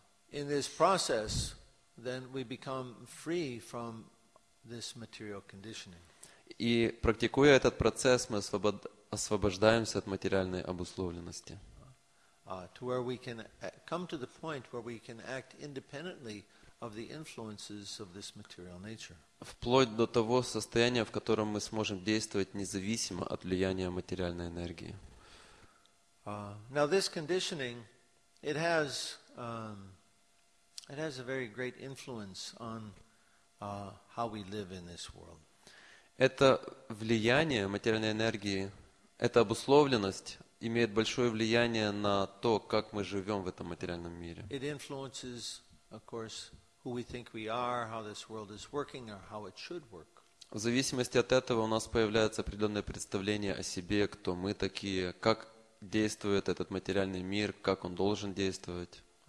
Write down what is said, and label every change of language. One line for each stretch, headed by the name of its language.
English: In this process, then we become free from this material conditioning.
Russian: И практикуя этот процесс, мы освобождаемся от материальной обусловленности.
English: To where we can come to the point where we can act independently of the influences of this material nature.
Russian: Вплоть до того состояния, в котором мы сможем действовать независимо от влияния материальной энергии.
English: Now this conditioning, it has a very great influence on how we live in this world.
Russian: Это влияние материальной энергии, эта обусловленность имеет большое влияние на то, как мы живем в этом материальном мире.
English: It influences, of course, who we think we are, how this world is working, or how it should work.
Russian: В зависимости от этого у нас появляется определенное представление о себе, кто мы такие, как действует этот материальный мир, как он должен действовать.